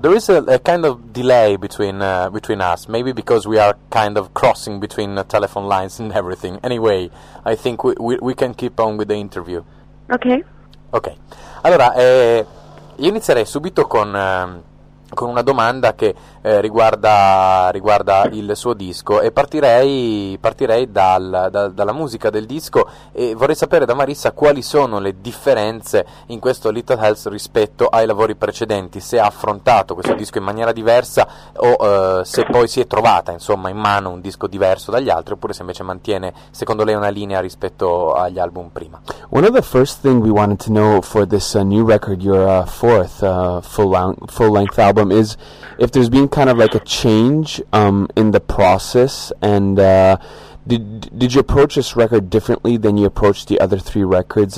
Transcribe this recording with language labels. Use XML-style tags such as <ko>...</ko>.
<en>There is a kind of delay between us. Maybe because we are kind of crossing between telephone lines and everything. Anyway, I think we can keep on with the interview. Okay. Ok.</en> <it>Allora, io inizierei subito con una domanda che riguarda il suo disco e partirei dalla musica del disco e vorrei sapere da Marissa quali sono le differenze in questo Little Hells rispetto ai lavori precedenti, se ha affrontato questo disco in maniera diversa o se poi si è trovata insomma in mano un disco diverso dagli altri oppure se invece mantiene secondo lei una linea rispetto agli album prima.</it> <en>One of the first thing we wanted to know for this new record, your fourth full-length album, is if there's been kind of like a change in the process, and did you approach this record differently than you approached the other three records?</en>